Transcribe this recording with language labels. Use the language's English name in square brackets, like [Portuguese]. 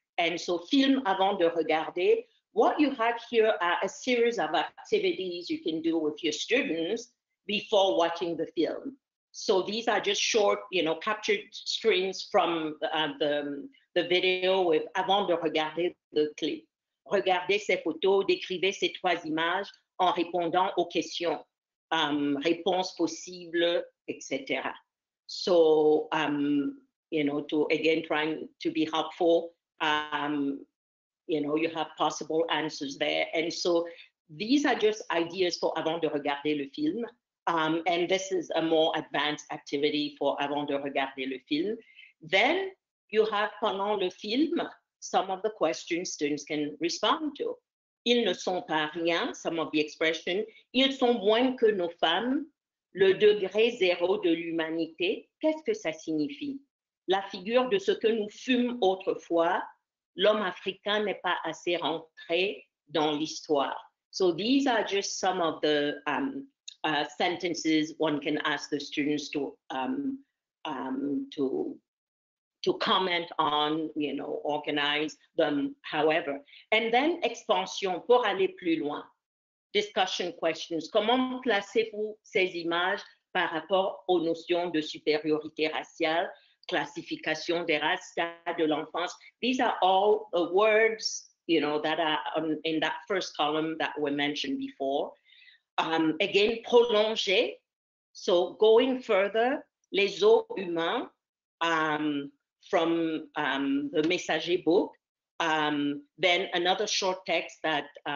[English] And so [French] film avant de regarder. [English] What you have here are a series of activities you can do with your students before watching the film. So these are just short, you know, captured screens from the video with [French] avant de regarder le clip. Regardez ces photos, décrivez ces trois images en répondant aux questions, réponses possibles, etc. [English] So, you know, to again trying to be helpful. You know, you have possible answers there. And so these are just ideas for [French] avant de regarder le film. [English] And this is a more advanced activity for [French] avant de regarder le film. [English] Then you have [French] pendant le film, [English] some of the questions students can respond to. [French] Ils ne sont pas rien, [English] some of the expression. [French] Ils sont moins que nos femmes. Le degré zéro de l'humanité, qu'est-ce que ça signifie? La figure de ce que nous fûmes autrefois, l'homme africain n'est pas assez rentré dans l'histoire. [English] So these are just some of the sentences one can ask the students to comment on, you know, organize them, however. And then expansion, [French] pour aller plus loin. [English] Discussion questions, [French] comment placez-vous ces images par rapport aux notions de supériorité raciale? Classification des races, stade de l'enfance. [English] These are all the words, you know, that are in that first column that were mentioned before. Again, prolonger, so going further, [French] les eaux humains [English] from the Messager book. Then another short text that